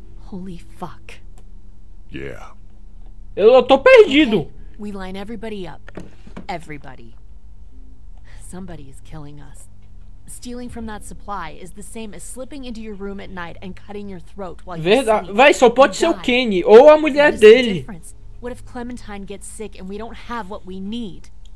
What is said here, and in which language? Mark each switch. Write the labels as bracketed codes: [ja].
[en] Holy fuck. Yeah. [pt] Eu tô perdido. Okay. [en] We line everybody up. Everybody. Somebody is killing us. Stealing from that supply is the same as slipping into your room at night and cutting your throat while you're sleeping. [pt] Verdade. Vai, só pode ser o Kenny ou a mulher dele. [en] What if Clementine gets sick and we don't have what we need?